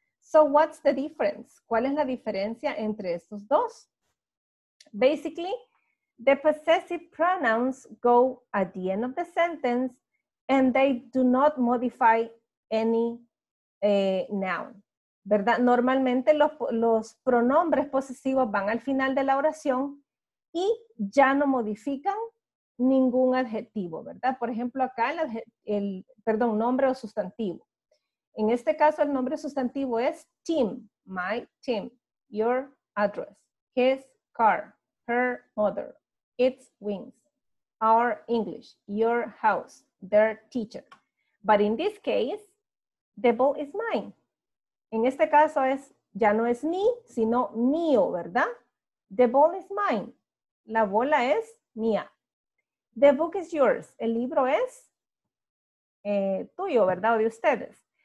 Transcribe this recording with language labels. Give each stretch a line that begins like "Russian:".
English: So what's the difference?
Spanish: ¿Cuál es la diferencia entre estos dos?
English: Basically, the possessive pronouns go at the end of the sentence and they do not modify any noun.
Spanish: ¿Verdad? Normalmente los pronombres posesivos van al final de la oración y ya no modifican ningún adjetivo, ¿verdad? Por ejemplo, acá nombre o sustantivo. En este caso, el nombre sustantivo es Tim,
English: my Tim, your address, his car, her mother, its wings, our English, your house, their teacher. But in this case, the ball is mine.
Spanish: En este caso es, ya no es mi, sino mío, ¿verdad?
English: The ball is mine.
Spanish: La bola es mía.
English: The book is yours.
Spanish: El libro es tuyo, ¿verdad? O de ustedes.